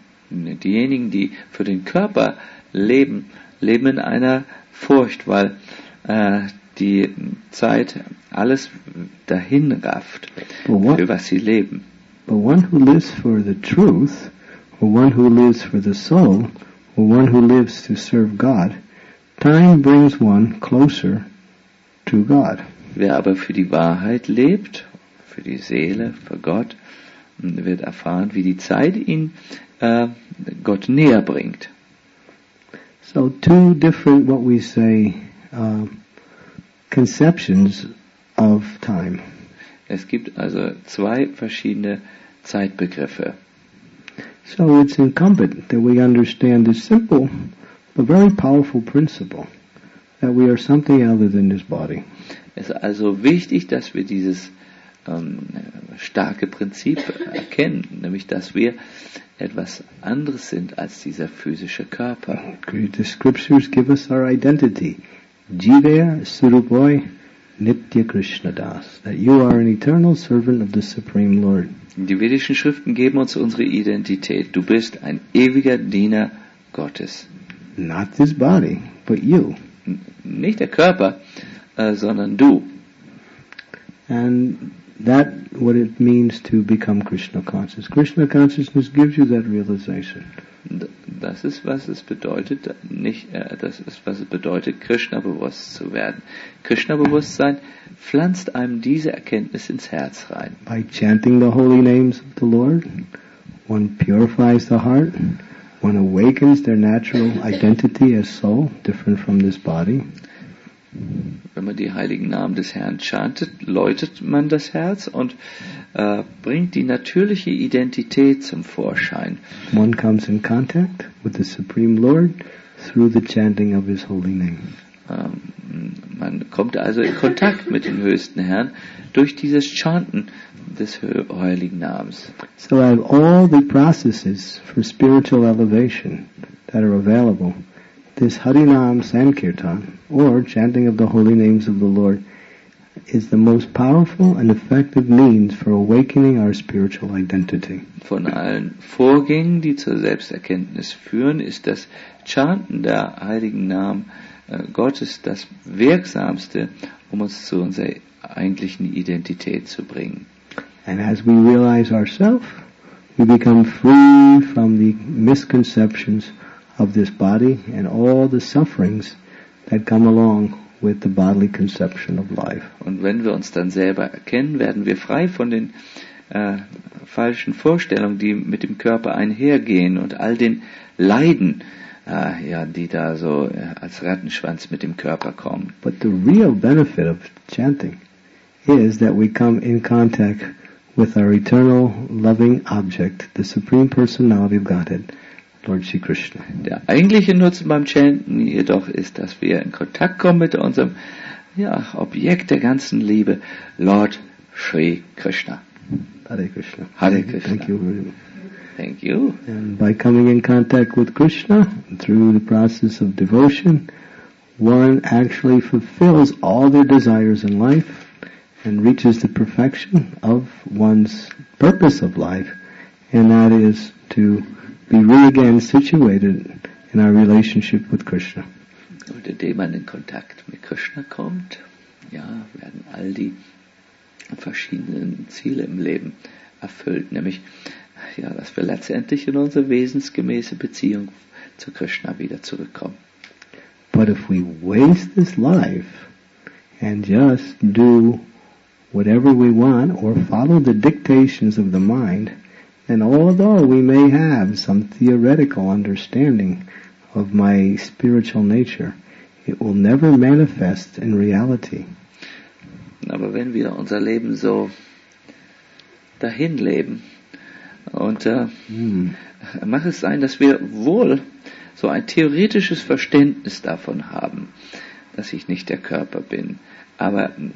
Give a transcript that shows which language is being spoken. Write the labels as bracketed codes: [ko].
[de] Diejenigen, die für den Körper leben, leben in einer Furcht, weil die Zeit alles dahin rafft, für was sie leben. [en] But one who lives for the truth, or one who lives for the soul, or one who lives to serve God, time brings one closer to God. [de] Wer aber für die Wahrheit lebt, für die Seele, für Gott, wird erfahren, wie die Zeit ihn Gott näher bringt. [en] So two different, what we say, conceptions of time. [de] Es gibt also zwei verschiedene Zeitbegriffe. [en] So it's incumbent that we understand this simple but very powerful principle that we are something other than this body. [de] Es ist also wichtig, dass wir dieses starke Prinzip erkennen, nämlich dass wir etwas anderes sind als dieser physische Körper. [en] The scriptures give us our identity. [sa] Jive Surupoi Nitya Krishna Das. [en] That you are an eternal servant of the Supreme Lord. [de] Die vedischen Schriften geben uns unsere Identität. Du bist ein ewiger Diener Gottes. [en] Not this body, but you. [de] Nicht der Körper, sondern du. [en] And that what it means to become Krishna conscious. Krishna consciousness gives you that realization. [de] Das ist, was es bedeutet, nicht, das ist, was es bedeutet, Krishna bewusst zu werden. Krishna Bewusstsein pflanzt einem diese Erkenntnis ins Herz rein. [en] By chanting the holy names of the Lord, one purifies the heart, one awakens their natural identity as soul, different from this body. [de] Wenn man die heiligen Namen des Herrn chantet, läutet man das Herz und bringt die natürliche Identität zum Vorschein. [en] One comes in contact with the Supreme Lord through the chanting of his holy name. [de] Man kommt also in Kontakt mit dem höchsten Herrn durch dieses Chanten des heiligen Namens. [en] So I have all the processes for spiritual elevation that are available. This Harinam Sankirtan, or chanting of the holy names of the Lord, is the most powerful and effective means for awakening our spiritual identity. [de] Von allen Vorgängen, die zur Selbsterkenntnis führen, ist das Chanten der heiligen Namen Gottes das wirksamste, um uns zu unserer eigentlichen Identität zu bringen. [en] And as we realize ourselves, we become free from the misconceptions of this body and all the sufferings that come along with the bodily conception of life. [de] Und wenn wir uns dann selber erkennen, werden wir frei von den falschen Vorstellungen, die mit dem Körper einhergehen und all den Leiden, ja, die da so als Rattenschwanz mit dem Körper kommen. [en] But the real benefit of chanting is that we come in contact with our eternal loving object, the Supreme Personality of Godhead, Lord Sri Krishna. [de] Der eigentliche Nutzen beim Chanten jedoch ist, dass wir in Kontakt kommen mit unserem ja, Objekt der ganzen Liebe, Lord Sri Krishna. [en] Hare Krishna. Hare Krishna. Thank you very much. Thank you. And by coming in contact with Krishna through the process of devotion, one actually fulfills all their desires in life and reaches the perfection of one's purpose of life, and that is to be re-again situated in our relationship with Krishna. [de] Und indem man in Kontakt mit Krishna kommt, ja, werden all die verschiedenen Ziele im Leben erfüllt. Nämlich, ja, dass wir letztendlich in unsere wesensgemäße Beziehung zu Krishna wieder zurückkommen. [en] But if we waste this life and just do whatever we want or follow the dictations of the mind, and although we may have some theoretical understanding of my spiritual nature, it will never manifest in reality. [de] Aber wenn wir unser Leben so dahin leben und mag es sein, dass wir wohl so ein theoretisches Verständnis davon haben, dass ich nicht der Körper bin, aber